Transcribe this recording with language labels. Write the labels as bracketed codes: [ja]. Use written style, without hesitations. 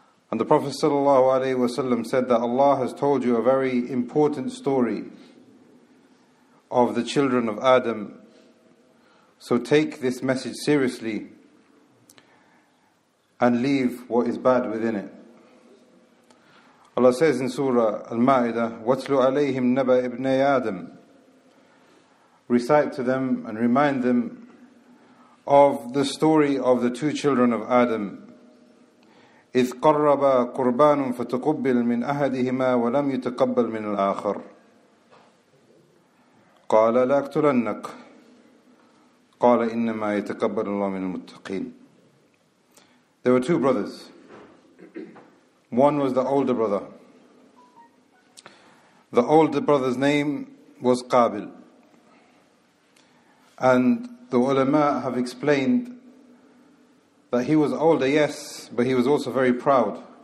[en] And the Prophet sallallahu alaihi wasallam said that Allah has told you a very important story of the children of Adam, so take this message seriously and leave what is bad within it. Allah says in Surah Al-Ma'idah, [ar] وَاتْلُ عَلَيْهِمْ نَبَى إِبْنَيْ آدَمْ [en] Recite to them and remind them of the story of the two children of Adam. [ar] إِذْ قَرَّبَا قُرْبَانٌ فَتُقُبِّلْ مِنْ أَحَدِهِمَا وَلَمْ يُتَقَبَّلْ مِنْ الْآخَرِ قَالَ لَا أَقْتُلَنَّكَ قَالَ إِنَّمَا يَتَقَبَّلُ اللَّهُ مِنَ الْمُتَّقِينَ [en] There were two brothers. One was the older brother. The older brother's name was Qabil. And the ulama have explained that he was older, yes, but he was also very proud.